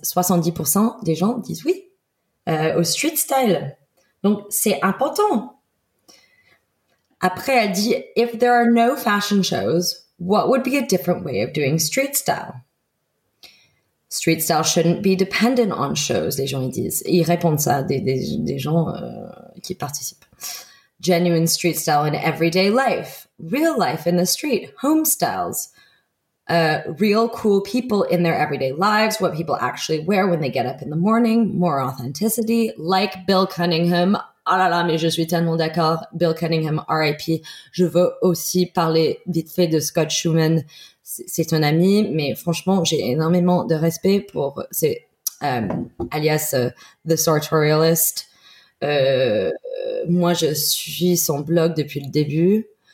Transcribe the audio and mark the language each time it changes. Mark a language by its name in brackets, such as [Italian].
[French] 70% des gens disent oui au street style. Donc, c'est important. Après, elle dit, [English] If there are no fashion shows, what would be a different way of doing street style? Street style shouldn't be dependent on shows, [French] les gens ils disent. Ils répondent ça, des gens qui participent. [English] Genuine street style in everyday life. Real life in the street. Home styles. Real cool people in their everyday lives, what people actually wear when they get up in the morning, more authenticity, like Bill Cunningham. [French] Ah là là, mais je suis tellement d'accord. Bill Cunningham, RIP. Je veux aussi parler vite fait de Scott Shuman. C'est un ami, mais franchement, j'ai énormément de respect pour ces alias The Sartorialist. Moi, je suis son blog depuis le début.